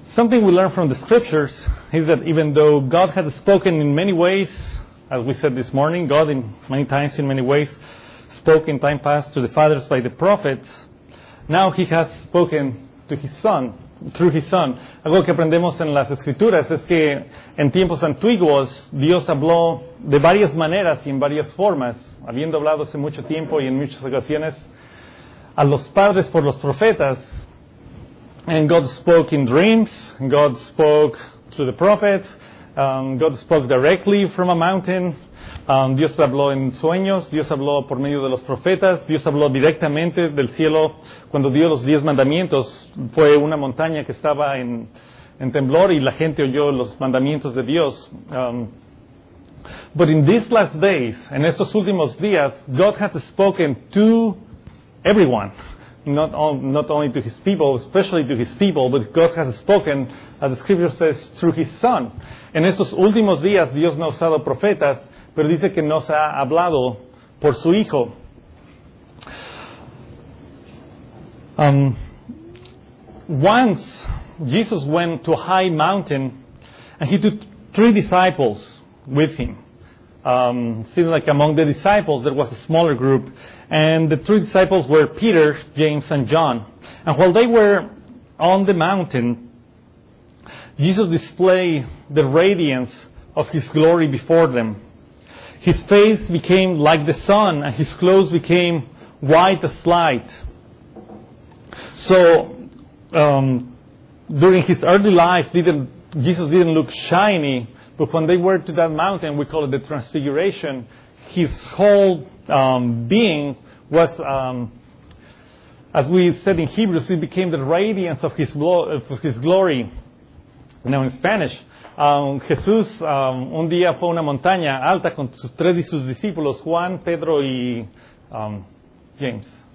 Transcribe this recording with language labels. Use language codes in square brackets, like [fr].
[en] Something we learn from the scriptures is that even though God has spoken in many ways, as we said this morning, God in many times in many ways spoke in time past to the fathers by the prophets, now he has spoken to his son, through his son. [es] Algo que aprendemos en las escrituras es que en tiempos antiguos Dios habló de varias maneras y en varias formas, habiendo hablado hace mucho tiempo y en muchas ocasiones a los padres por los profetas. [en] And God spoke in dreams, God spoke to the prophets, God spoke directly from a mountain, [es] Dios habló en sueños, Dios habló por medio de los profetas, Dios habló directamente del cielo cuando dio los 10 mandamientos. Fue una montaña que estaba en temblor y la gente oyó los mandamientos de Dios. [en] But in these last days, [es] en estos últimos días, [en] God has spoken to everyone. Not only to his people, especially to his people, but God has spoken, as the scripture says, through his son. [es] En estos últimos días, Dios no ha usado profetas, pero dice que nos ha hablado por su hijo. [en] Once, Jesus went to a high mountain, and he took 3 disciples with him. Seems like among the disciples there was a smaller group, and the 3 disciples were Peter, James, and John. And while they were on the mountain, Jesus displayed the radiance of his glory before them. His face became like the sun, and his clothes became white as light. So during his early life, Jesus didn't look shiny. But when they were to that mountain, we call it the Transfiguration, his whole being was, as we said in Hebrews, it became the radiance of his glory. Now in Spanish, [es] Jesús un día fue a una montaña alta con sus 3 de sus discípulos, Juan, Pedro y James.